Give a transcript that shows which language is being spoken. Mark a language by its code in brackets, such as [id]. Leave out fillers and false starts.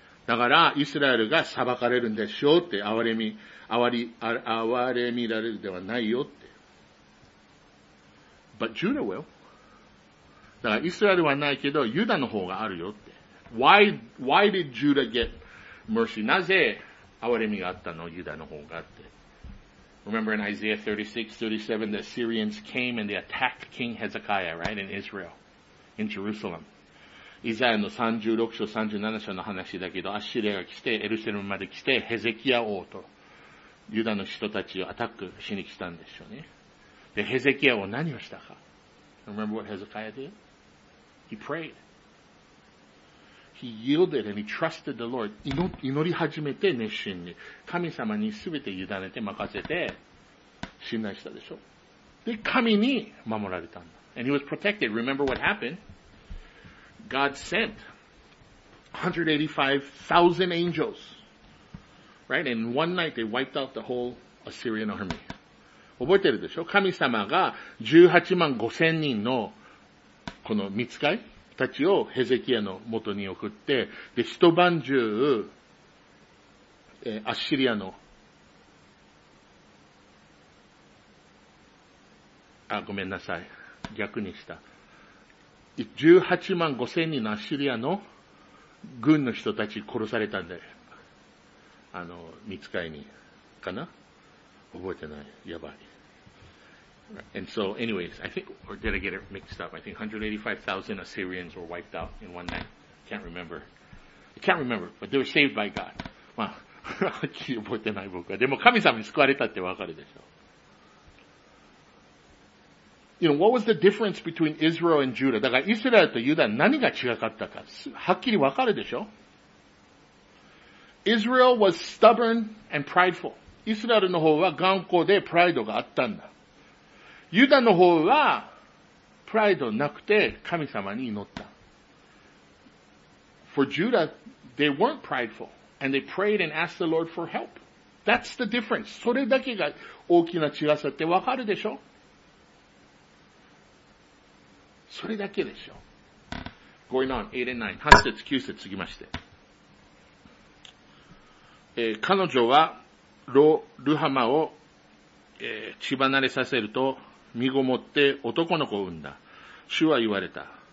[ja] だからイスラエルが裁かれるんでしょうって、憐れみられるではないよって。 [en] But Judah will。 [ja] だからイスラエルはないけどユダの方があるよって。 [en] Why did Judah get mercy? [ja] なぜ憐れみがあったの、ユダの方がって。 [en] Remember in Isaiah 36:37, the Syrians came and they attacked King Hezekiah, right, in Israel, in Jerusalem。 [ja] イザヤの36章37章の話だけど、アッシリアが来て、エルサレムまで来て、ヘゼキヤ王とユダの人たちをアタックしに来たんでしょうね。で、ヘゼキヤ王何をしたか。 [en] Remember what Hezekiah did? He prayed. He yielded and he trusted the Lord. [ja] 祈り始めて熱心に。神様にすべて委ねて任せて、信頼したでしょ。で、神に守られたんだ。 [en] And he was protected. Remember what happened? God sent 185,000 angels, right? And one night they wiped out the whole Assyrian army. [ja] 覚えてるでしょ？神様が18万5千人のこの御使いたちをヘゼキヤの元に送って、で、一晩中、アッシリアの、あ、ごめんなさい。逆にした。 18万5千人のアッシリアの軍の人たち殺されたんだよ。あの、見つかりに。かな？覚えてない。やばい。 [en] And so, anyways, I think, or did I get it mixed up? I think 185,000 Assyrians were wiped out in one night. I can't remember, but they were saved by God. [ja] まあ、覚えてない僕は。でも神様に救われたってわかるでしょ。 [en] You know, what was the difference between Israel and Judah? [ja] だからイスラエルとユダ何が違かったか、はっきりわかるでしょ？ [en] Israel was stubborn and prideful. [ja] イスラエルの方は頑固でプライドがあったんだ。ユダの方はプライドなくて神様に祈った。 [en] For Judah, they weren't prideful and they prayed and asked the Lord for help. That's the difference. [ja] それだけが大きな違さってわかるでしょ？それだけでしょ。 [en] Going on, 8 and 9. [ja] 8節、9節、続きまして。彼女は、ルハマを、血離れさせると、身ごもって男の子を産んだ。主は言われた。